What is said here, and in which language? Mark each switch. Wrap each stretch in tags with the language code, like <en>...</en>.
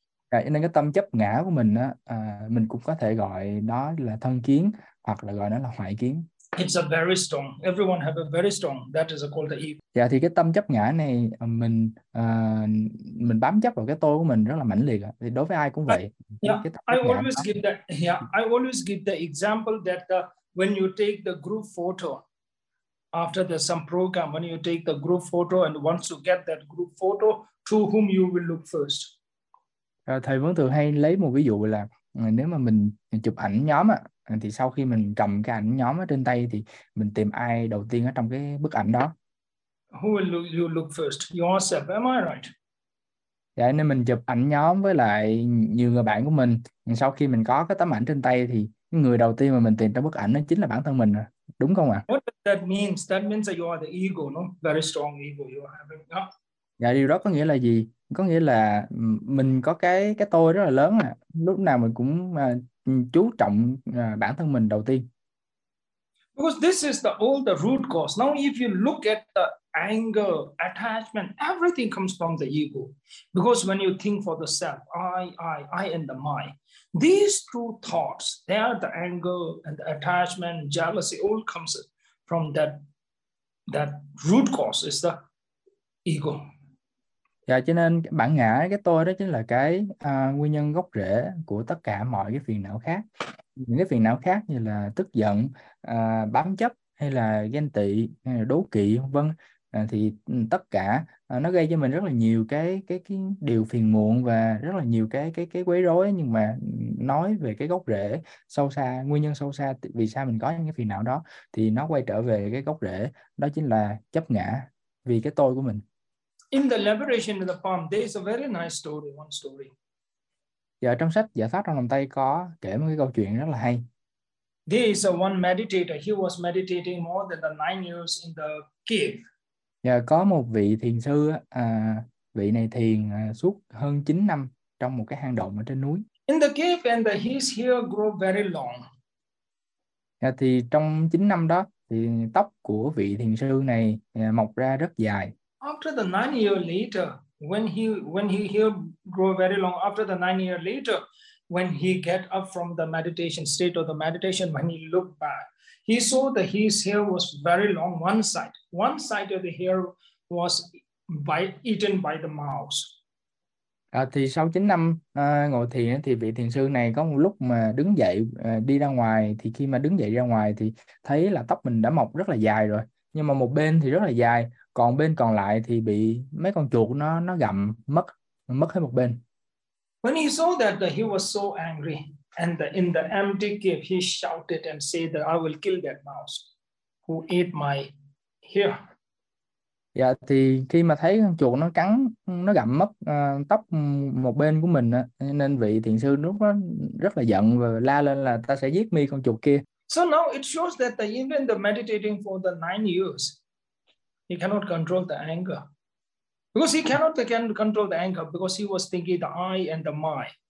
<vi>cho nên cái tâm chấp ngã của mình á, mình cũng có thể gọi đó là thân kiến hoặc là gọi nó là hoại kiến.</vi> <en>It's a very strong. Everyone have a very strong. That is called the ego.</en> <vi>Dạ thì cái tâm chấp ngã này mình bám chấp vào cái tôi của mình rất là mãnh liệt, thì đối với ai cũng vậy, cái tâm chấp ngã đó.</vi> <en>I always give the example that when you take the group photo after the some program, when you take the group photo and once you get that group photo, to whom you will look first?</en> <vi>Thầy vẫn thường hay lấy một ví dụ là nếu mà mình chụp ảnh nhóm á, thì sau khi mình cầm cái ảnh nhóm ở trên tay thì mình tìm ai đầu tiên ở trong cái bức ảnh đó.</vi> <en>Who will you look first? Yourself, am I right?</en> <vi>Dạ, nên mình chụp ảnh nhóm với lại nhiều người bạn của mình. Sau khi mình có cái tấm ảnh trên tay thì người đầu tiên mà mình tìm trong bức ảnh đó chính là bản thân mình rồi. Đúng không ạ?</vi> <en>What does that mean? That means that you are the ego, no? Very strong ego you are having. No?</en> <vi>Dạ, điều đó có nghĩa là gì? Có nghĩa là mình có cái tôi rất là lớn à. Lúc nào mình cũng chú trọng bản thân mình đầu tiên.</vi> <en>Because this is the all the root cause. Now if you look at the anger, attachment, everything comes from the ego. Because when you think for the self, I and the my, these two thoughts, they are the anger and the attachment, jealousy, all comes from that root cause is the ego.</en> <vi>Dạ, cho nên bản ngã, cái tôi đó chính là cái nguyên nhân gốc rễ của tất cả mọi cái phiền não khác. Những cái phiền não khác như là tức giận, bám chấp hay là ghen tị, hay là đố kỵ vân vân, thì tất cả nó gây cho mình rất là nhiều cái điều phiền muộn và rất là nhiều cái quấy rối. Nhưng mà nói về cái gốc rễ sâu xa, nguyên nhân sâu xa vì sao mình có những cái phiền não đó, thì nó quay trở về cái gốc rễ, đó chính là chấp ngã vì cái tôi của mình.</vi> <en>In the liberation of the palm, there is a very nice story, one story.</en> <vi>Giờ trong sách Giải Thoát Trong Lòng Tay có kể một cái câu chuyện rất là hay.</vi> <en>There is a one meditator, he was meditating more than the 9 years in the cave.</en> <vi>Giờ có một vị thiền sư, vị này thiền suốt hơn 9 năm trong một cái hang động ở trên núi.</vi> <en>In the cave and the, his hair grow very long.</en> <vi>Giờ thì trong 9 năm đó, thì tóc của vị thiền sư này mọc ra rất dài.</vi> <en>After the 9 years later, when he here grow very long, after the 9 years later, when he get up from the meditation state or the meditation, when he looked back, he saw that his hair was very long, one side. One side of the hair was eaten by the mouse.</en> <vi>Thì sau 9 năm ngồi thiền thì vị thiền sư này có một lúc mà đứng dậy đi ra ngoài, thì khi mà đứng dậy ra ngoài thì thấy là tóc mình đã mọc rất là dài rồi. Nhưng mà một bên thì rất là dài, còn bên còn lại thì bị mấy con chuột nó gặm mất hết một bên.</vi> <en>When he saw that, he was so angry, and in the empty cave he shouted and said that I will kill that mouse who ate my hair.</en> <vi>Dạ thì khi mà thấy con chuột nó cắn, nó gặm mất tóc một bên của mình, nên vị thiền sư lúc đó rất là giận và la lên là ta sẽ giết mi con chuột kia.</vi> <en>So now it shows that even the meditating for the 9 years, he cannot control the anger. Because he cannot again control the anger because he was thinking the I and the my.</en>